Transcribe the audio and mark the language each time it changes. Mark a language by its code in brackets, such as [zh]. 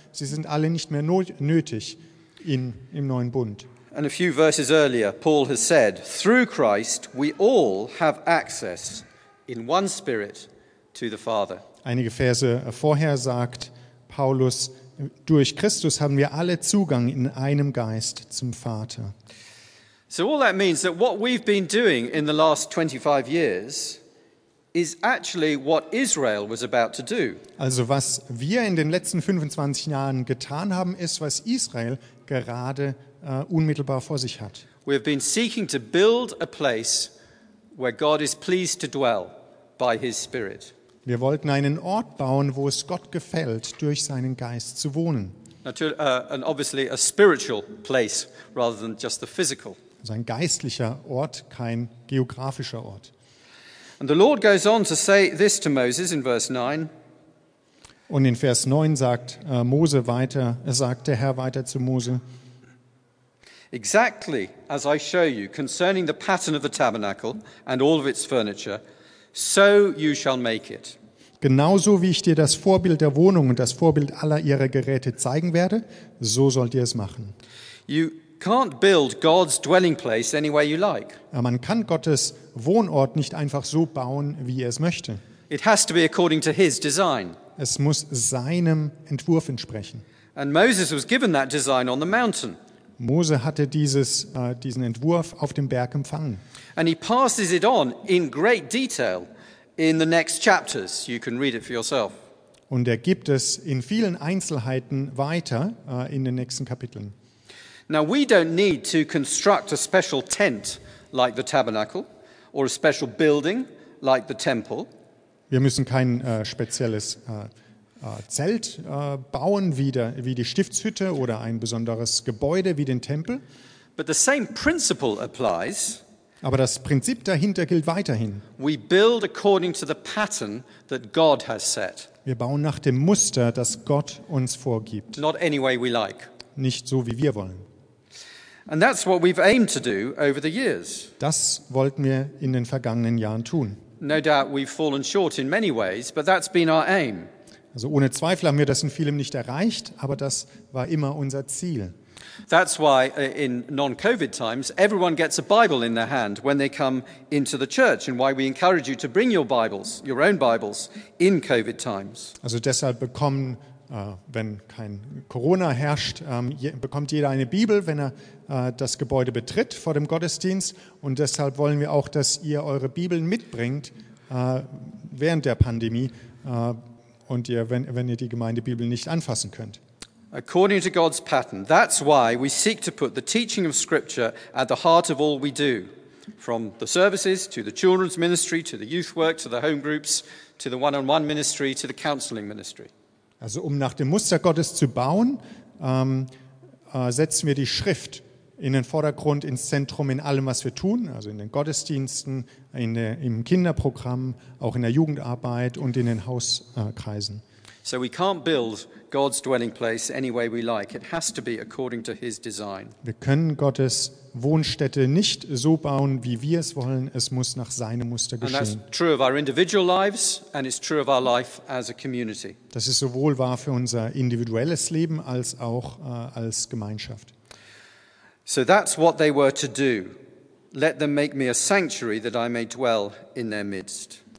[de] Sie sind alle nicht mehr nötig im neuen Bund. [en] And a few verses earlier, Paul has said, through Christ we all have access in one spirit to the Father. [de] Einige Verse vorher sagt Paulus, durch Christus haben wir alle Zugang in einem Geist zum Vater. [en] So all that means that what we've been doing in the last 25 years is actually what Israel was about to do. [de] Also was wir in den letzten 25 Jahren getan haben, ist, was Israel gerade unmittelbar vor sich hat. [en] We have been seeking to build a place where God is pleased to dwell by his Spirit. [de] Wir wollten einen Ort bauen, wo es Gott gefällt, durch seinen Geist zu wohnen. [en] Natürlich, and obviously a spiritual place rather than just the physical. [de] Also ein geistlicher Ort, kein geografischer Ort. [en] And the Lord goes on to say this to Moses in verse 9. [de] Und in Vers 9 sagt Mose weiter, sagt der Herr weiter zu Mose. [en] Exactly as I show you concerning the pattern of the tabernacle and all of its furniture, so you shall make it. [de] Genauso wie ich dir das Vorbild der Wohnung und das Vorbild aller ihrer Geräte zeigen werde, so sollt ihr es machen. [en] You can't build God's dwelling place any way you like. [de] Man kann Gottes Wohnort nicht einfach so bauen, wie er es möchte. [en] It has to be according to his design. [de] Es muss seinem Entwurf entsprechen. [en] And Moses was given that design on the mountain. [de] Mose hatte diesen Entwurf auf dem Berg empfangen. [en] And he passes it on in great detail in the next chapters. You can read it for yourself. [de] Und er gibt es in vielen Einzelheiten weiter in den nächsten Kapiteln. [en] Now we don't need to construct a special tent like the tabernacle or a special building like the temple. [de] Wir müssen kein spezielles Zelt bauen wie die Stiftshütte oder ein besonderes Gebäude wie den Tempel. [en] But the same principle applies. [de] Aber das Prinzip dahinter gilt weiterhin. [en] We build according to the pattern that God has set. [de] Wir bauen nach dem Muster, das Gott uns vorgibt. [en] Not any way we like. [de] Nicht so, wie wir wollen. [en] And that's what we've aimed to do over the years. [de] Das wollten wir in den vergangenen Jahren tun. [en] No doubt we've fallen short in many ways, but that's been our aim. [de] Also ohne Zweifel haben wir das in vielem nicht erreicht, aber das war immer unser Ziel. [en] That's why in non-COVID times everyone gets a Bible in their hand when they come into the church, and why we encourage you to bring your Bibles, your own Bibles, in COVID times. [de] Also deshalb bekommen, wenn kein Corona herrscht, bekommt jeder eine Bibel, wenn er das Gebäude betritt vor dem Gottesdienst. Und deshalb wollen wir auch, dass ihr eure Bibeln mitbringt während der Pandemie und ihr, wenn ihr die Gemeindebibel nicht anfassen könnt. [en] According to God's pattern, that's why we seek to put the teaching of Scripture at the heart of all we do, from the services to the children's ministry to the youth work to the home groups to the one-on-one ministry to the counseling ministry. [de] Also um nach dem Muster Gottes zu bauen, setzen wir die Schrift in den Vordergrund, ins Zentrum in allem, was wir tun, also in den Gottesdiensten, im Kinderprogramm, auch in der Jugendarbeit und in den Hauskreisen. [en] So we can't build God's dwelling place any way we like. It has to be according to his design. [de] Wir können Gottes Wohnstätte nicht so bauen, wie wir es wollen. Es muss nach seinem Muster geschehen. [en] And that's true of our individual lives, and it's true of our life as a community. [de] Das ist sowohl wahr für unser individuelles Leben als auch als Gemeinschaft. [en] So that's what they were to do. Let them make me a sanctuary that I may dwell in their midst.